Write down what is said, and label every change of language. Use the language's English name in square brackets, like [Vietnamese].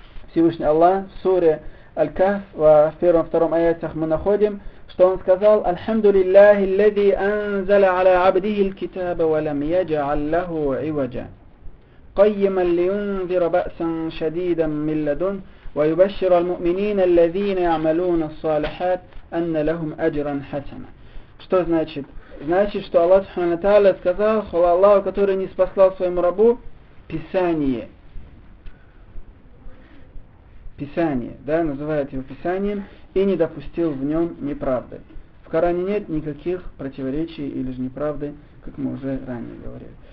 [Russian] Всевышний Аллах в суре Аль-Кахф в первом и втором аятах мы находим, что он сказал: [Arabic] «Альхамду лиллахи, лязи анзала аля абдихи л-китаба, валам яджа'ал лаху иваджа, кайяман лиюнзира ба'сан шадидан мин ладун». ويبشر المؤمنين الذين يعملون الصالحات أن لهم أجرا حسنا. [Russian] Что значит? Значит, что Аллах Субхана Тааля сказал, хвала Аллаху, который не спаслал своему рабу Писание. Писание, да, называют его Писанием, и не допустил в нем неправды. В Коране нет никаких противоречий или же неправды, как мы уже ранее говорили.